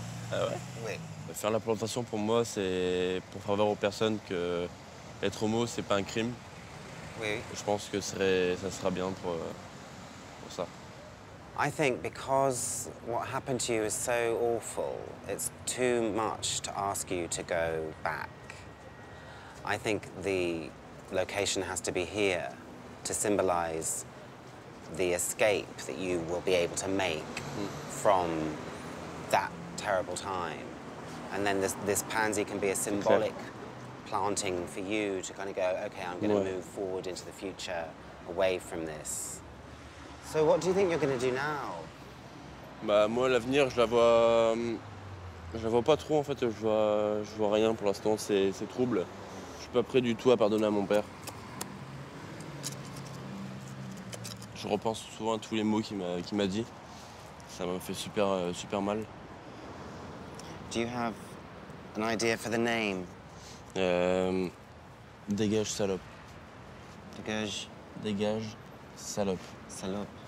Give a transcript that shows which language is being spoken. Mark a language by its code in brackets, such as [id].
[fr] Ah ouais? Oui. Faire la plantation pour moi, c'est pour faire voir aux personnes que être homo, c'est pas un crime. Oui. Je pense que ça sera bien pour ça. [en] I think because what happened to you is so awful, it's too much to ask you to go back. I think the location has to be here to symbolize the escape that you will be able to make from that terrible time. And then this pansy can be a symbolic planting for you to kind of go, okay, I'm going to move forward into the future away from this. So what do you think you're going to do now? [fr] Bah moi l'avenir je la vois pas trop en fait, je vois rien pour l'instant, c'est trouble. Je suis pas prêt du tout à pardonner à mon père. Je repense souvent à tous les mots qu'il m'a dit. Ça m'a fait super super mal. [en] Do you have an idea for the name? [fr] Dégage salope. Dégage. Dégage salope. Salope.